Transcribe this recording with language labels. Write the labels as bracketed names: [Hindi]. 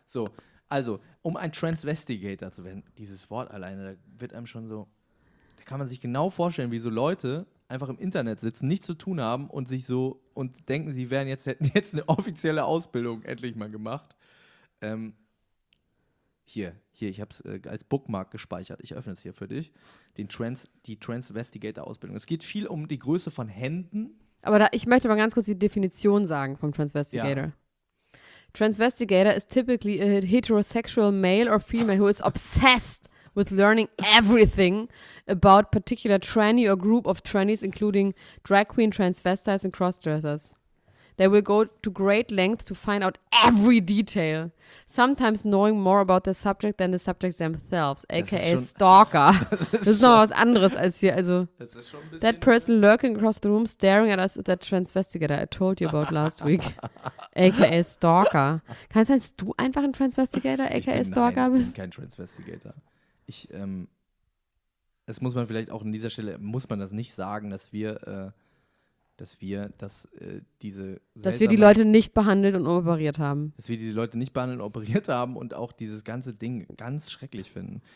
[German] So, also, um ein Transvestigator zu werden, dieses Wort alleine, da wird einem schon so, da kann man sich genau vorstellen, wie so Leute einfach im Internet sitzen, nichts zu tun haben und sich so, und denken, sie wären jetzt, hätten jetzt eine offizielle Ausbildung endlich mal gemacht. Hier, ich habe es als Bookmark gespeichert. Ich öffne es hier für dich. Die Transvestigator-Ausbildung. Es geht viel um die Größe von Händen. Aber da, ich möchte mal ganz kurz die Definition sagen vom Transvestigator. Ja. [English] Transvestigator is typically a heterosexual male or female who is obsessed with learning everything about particular tranny or group of trannies, including drag queen, transvestites and crossdressers. They will go to great lengths to find out every detail, sometimes knowing more about the subject than the subject themselves, aka [German] das ist schon, [English] stalker. [German] Das ist noch was anderes als hier. Also, das ist schon ein [English] that person lurking across the room, staring at us, that transvestigator I told you about last week, aka stalker. [German] Kann es sein, dass du einfach ein Transvestigator, aka stalker bist? Ich bin kein Transvestigator. Ich, das muss man vielleicht auch an dieser Stelle, muss man das nicht sagen, dass wir die Leute nicht behandelt und operiert haben. Dass wir diese Leute nicht behandelt und operiert haben und auch dieses ganze Ding ganz schrecklich finden.